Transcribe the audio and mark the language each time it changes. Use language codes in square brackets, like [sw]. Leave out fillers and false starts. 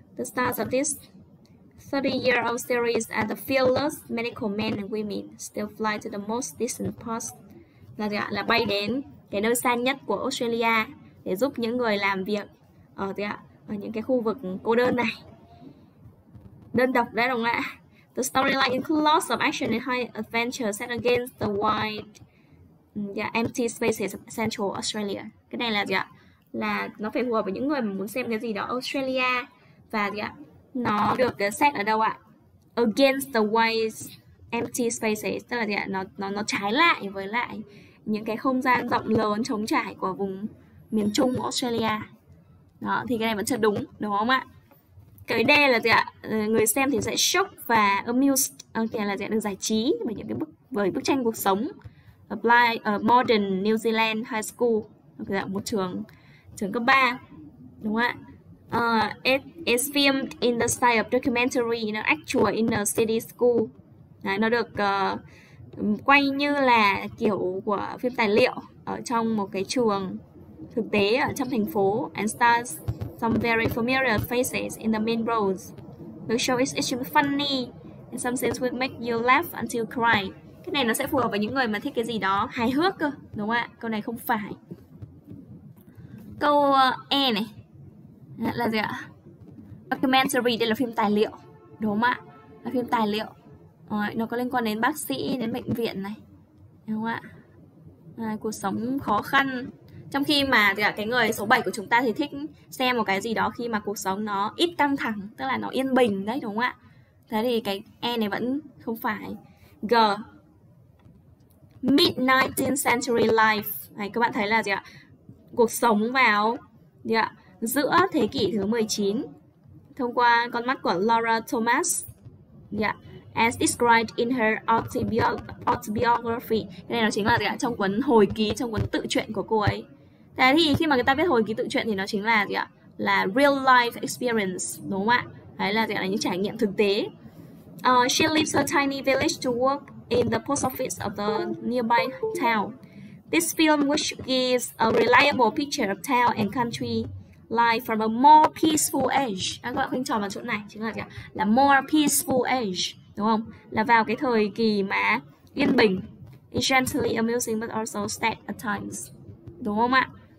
[en] The stars of this 30-year-old series and the fearless medical men and women still fly to the most distant parts. [vi] Là gì ạ? Là bay đến cái nơi xa nhất của Australia để giúp những người làm việc ở những cái khu vực cô đơn này. Đơn độc đấy đúng không ạ? [en] The storyline includes lots of action and high adventure set against the wide empty spaces of central Australia. [vi] Cái này là gì ạ? Là nó phải phù hợp với những người mà muốn xem cái gì đó Australia và gì ạ? Nó được set ở đâu ạ? [en] Against the wide empty spaces, [vi] tức là gì ạ? Nó trái lại với lại những cái không gian rộng lớn trống trải của vùng miền Trung Australia. Đó, thì cái này vẫn chưa đúng, đúng không ạ? Cái D là gì ạ? Người xem thì sẽ shock và amused, okay, là gì ạ? Được giải trí bởi những cái bức tranh cuộc sống apply ở modern New Zealand high school, okay, là một trường cấp 3. Đúng ạ? [en] It is filmed in the style of documentary, in an actual inner city school. [vi] Đấy, nó được quay như là kiểu của phim tài liệu ở trong một cái trường thực tế ở trong thành phố. [en] And stars some very familiar faces in the main roles. The show is extremely funny and some scenes will make you laugh until cry. [vi] Cái này nó sẽ phù hợp với những người mà thích cái gì đó hài hước cơ, đúng không ạ? Câu này không phải. Câu E này là gì ạ? Documentary, đây là phim tài liệu, đúng không ạ? Là phim tài liệu. Nó có liên quan đến bác sĩ, đến bệnh viện này, đúng không ạ? Cuộc sống khó khăn. Trong khi mà gì ạ? Cái người số 7 của chúng ta thì thích xem một cái gì đó khi mà cuộc sống nó ít căng thẳng, tức là nó yên bình đấy, đúng không ạ? Thế thì cái E này vẫn không phải. G. Mid-19th century life. Đấy, các bạn thấy là gì ạ? Cuộc sống vào gì ạ? Giữa thế kỷ thứ 19 thông qua con mắt của Laura Thomas. [en] As described in her autobiography. [vi] Cái này nó chính là gì ạ? Trong cuốn hồi ký, trong cuốn tự truyện của cô ấy. Thế thì khi mà người ta viết hồi ký tự truyện thì nó chính là gì ạ? Là real life experience, đúng không ạ? Đấy là gì ạ? Là những trải nghiệm thực tế. [en] She leaves her tiny village to work in the post office of the nearby town. This film which gives a reliable picture of town and country life from a more peaceful age. [vi] Các bạn khuyên tròn vào chỗ này chính là gì ạ? Là [en] more peaceful age. đúng không? [vi] Là vào cái thời kỳ mà yên bình, [en] it's gently amusing but also sad at times, [vi] đúng không ạ?